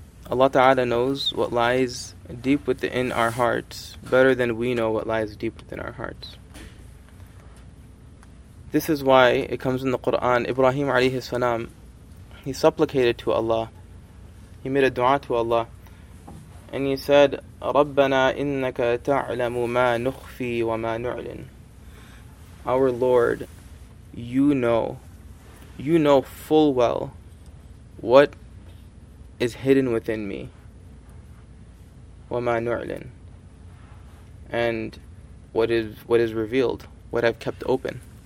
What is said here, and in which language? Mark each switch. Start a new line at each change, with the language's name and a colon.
English: Allah Ta'ala knows what lies deep within our hearts better than we know what lies deep within our hearts. This is why it comes in the Quran, Ibrahim alayhi salam, he supplicated to Allah. He made a dua to Allah. And he said,
Arabic: رَبَّنَا إِنَّكَ تَعْلَمُ مَا نُخْفِي وَمَا نُعْلِنُ.
English: Our Lord, you know full well what is hidden within me.
Arabic: وَمَا نُعْلِن.
English: And what is revealed, what I've kept open.